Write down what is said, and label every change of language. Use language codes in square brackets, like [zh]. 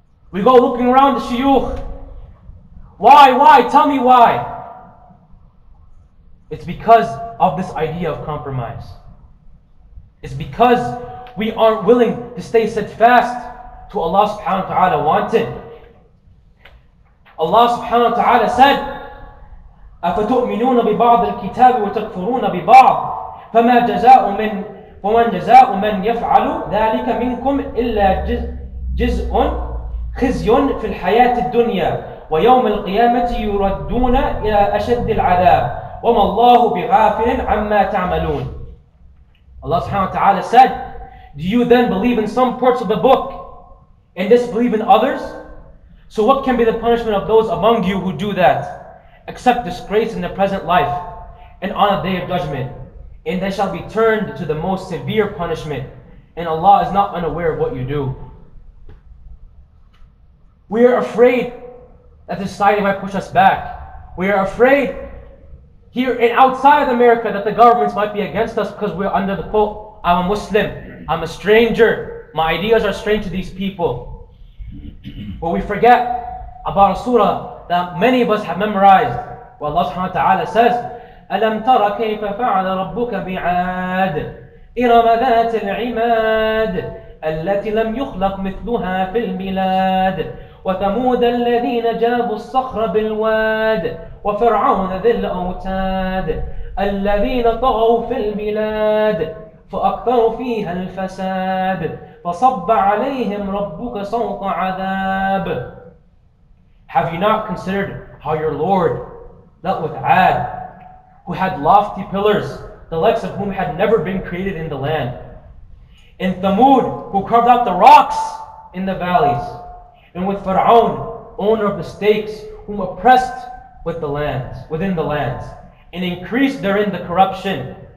[en] We go looking around the shuyukh. Why? Tell me why. It's because of this idea of compromise. It's because we aren't willing to stay steadfast to Allah subhanahu wa ta'ala wanted. Allah subhanahu wa ta'ala said, أَفَتُؤْمِنُونَ بِبَعْضِ الْكِتَابِ وَتَكْفُرُونَ بِبَعْضِ فَمَا جَزَاءُ مَنْ وَمَنْ جَزَاءُ مَنْ يَفْعَلُ ذَلِكَ مِنْكُمْ إِلَّا جِزْءٌ خِزْيٌ فِي الْحَيَاةِ الدُّنْيَا وَيَوْمِ الْقِيَامَةِ يُرَدُّونَ إِلَى أَشَدِّ الْعَذَابِ وَمَا اللَّهُ بِغَافِلٍ عَمَّا تَعْمَلُونَ Allah subhanahu wa ta'ala said, do you then believe in some parts of the book and disbelieve in others? So what can be the punishment of those among you who do that, except disgrace in the present life and on a day of judgment? And they shall be turned to the most severe punishment, and Allah is not unaware of what you do. We are afraid that the society might push us back. We are afraid here and outside of America that the governments might be against us because we're under the quote, I'm a Muslim, I'm a stranger, my ideas are strange to these people. But we forget about a surah that many of us have memorized, where Allah subhanahu wa ta'ala says, [ar] أَلَمْ تَرَ كَيْفَ فَعَلَ رَبُّكَ بِعَادٍ إِرَمَ ذَاتِ الْعِمَادِ الَّتِي لَمْ يُخْلَقْ مِثْلُهَا فِي الْبِلَادِ وثمود الذين جابوا الصخر بالواد وفرعون ذي الأوتاد الذين طغوا في البلاد فأكثروا فيها الفساد فصب عليهم ربك سوط عذاب. [en] Have you not considered how your Lord dealt with Ad, who had lofty pillars, the likes of whom had never been created in the land? And Thamud, who carved out the rocks in the valleys? And with Fir'aun, owner of the stakes, whom oppressed with the lands, within the lands, and increased therein the corruption.